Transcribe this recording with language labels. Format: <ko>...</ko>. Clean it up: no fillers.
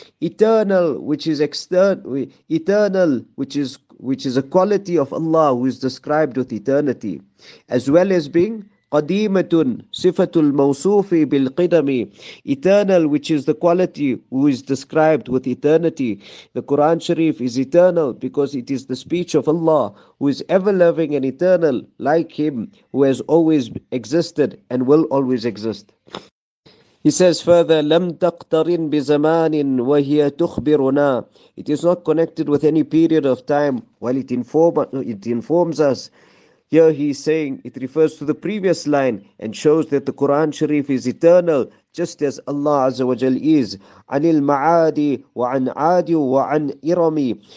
<en>Eternal, which is external, eternal, which is a quality of Allah who is described with eternity, as well as being</en> <ar>قَدِيمَةٌ صِفَةُ الْمَوْصُوفِ بِالْقِدَمِ.</ar> <en>Eternal, which is the quality who is described with eternity. The Quran Sharif is eternal because it is the speech of Allah who is ever-loving and eternal, like Him who has always existed and will always exist. He says further,</en> <ar>لَمْ تَقْتَرِنْ بِزَمَانٍ وَهِيَ تُخْبِرُنَا.</ar> <en>It is not connected with any period of time while it informs us. Here he is saying, it refers to the previous line and shows that the Quran Sharif is eternal, just as Allah Azza wa Jal is.</en> <ar>عَنِ الْمَعَادِ وَعَنْ عَادِ وَعَنْ إِرَمِ.</ar>